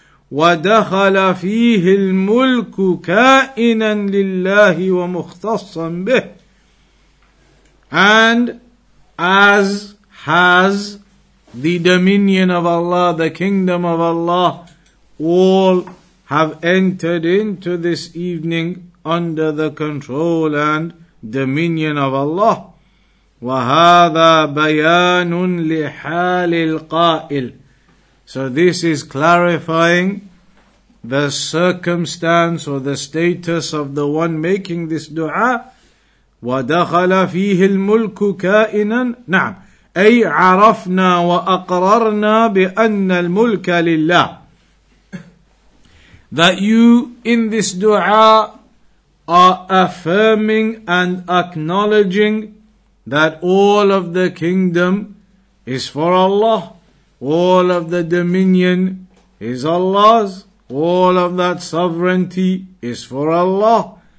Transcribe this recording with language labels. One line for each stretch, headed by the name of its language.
Arabic: ودخل فيه الملك كائنا لله ومختصا به.
English: And as has the dominion of Allah, the kingdom of Allah, all have entered into this evening under the control and dominion of Allah.
Arabic: وَهَذَا بَيَانٌ لِحَالِ الْقَائِلِ.
English: So this is clarifying the circumstance or the status of the one making this dua.
Arabic: وَدَخَلَ فِيهِ الْمُلْكُ كَائِنًا. نعم. أي عرفنا وأقررنا بأن الملك لله.
English: That you in this dua are affirming and acknowledging that all of the kingdom is for Allah, all of the dominion is Allah's, all of that sovereignty is for Allah.